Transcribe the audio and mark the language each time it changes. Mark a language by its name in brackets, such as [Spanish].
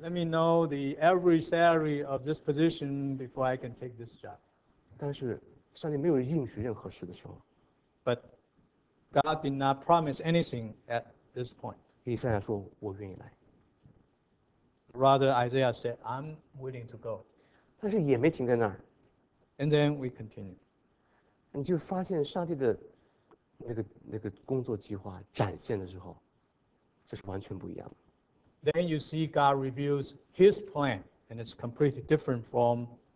[English] Let me know the average salary of this position before I can take this job. [Chinese] 但是上帝没有应许任何事的时候, [English] but God did not promise anything at this point. [Chinese] 以赛亚说：“我愿意来。” [English] Rather, Isaiah said, "I'm willing to go." [Chinese] 但是也没停在那儿。 [English] And then we continue. [Chinese] 你就发现上帝的那个工作计划展现的时候，这是完全不一样的。 [English] Then you see God reveals His plan, and it's completely different from.